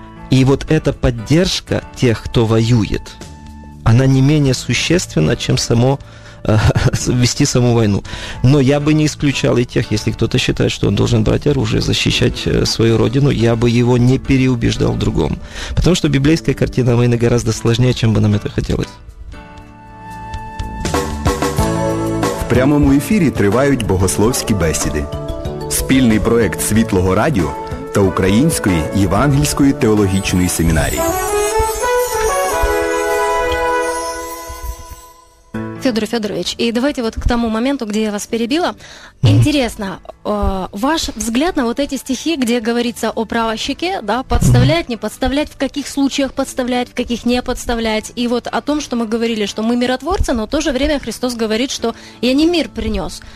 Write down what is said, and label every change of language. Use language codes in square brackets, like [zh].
[ru] И вот эта поддержка тех, кто воюет, она не менее существенна, чем вести саму войну. Но я бы не исключал и тех, если кто-то считает, что он должен брать оружие, защищать свою родину, я бы его не переубеждал в другом. Потому что библейская картина войны гораздо сложнее, чем бы нам это хотелось. [uk] В прямому ефірі тривають богословські бесіди. Спільний проект «Світлого радіо» та Української євангельської теологічної семінарії. [ru] Федор Федорович, и давайте вот к тому моменту, где я вас перебила. Интересно, ваш взгляд на вот эти стихи, где говорится о правощике, да, подставлять, не подставлять, в каких случаях подставлять, в каких не подставлять, и вот о том, что мы говорили, что мы миротворцы, но в то же время Христос говорит, что я не мир принес.